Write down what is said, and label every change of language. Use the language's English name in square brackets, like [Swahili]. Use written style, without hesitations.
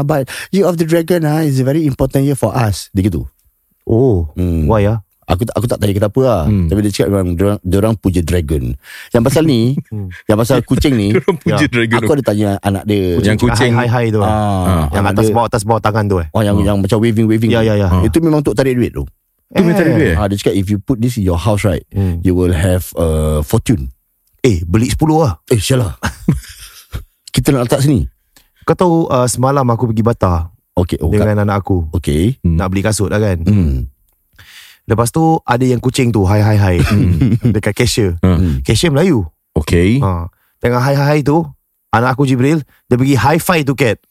[English] But year of the dragon is a very important year for us. [Malay] Dia gitu. [English] Why lah? [Malay] Aku tak tanya kenapa lah. Tapi dia cakap memang diorang puja dragon. Yang pasal ni, yang pasal kucing ni, diorang puja dragon. Aku ada tanya anak dia. Yang kucing hai-hai tu. Yang atas bawah tangan tu. Yang macam waving. Itu memang untuk tarik duit tu. Itu memang tarik duit. Dia cakap [English] if you put this in your house right, you will have a fortune. [Malay] Beli 10 lah. Syalah. Kita nak letak sini. Kau tahu semalam aku pergi Bata. Dengan anak aku. Nak beli kasut lah kan. Lepas tu ada yang kucing tu hai. Dekat cashier. Cashier Melayu. Tengah hai tu, anak aku Jibril, dia pergi high five tu cat.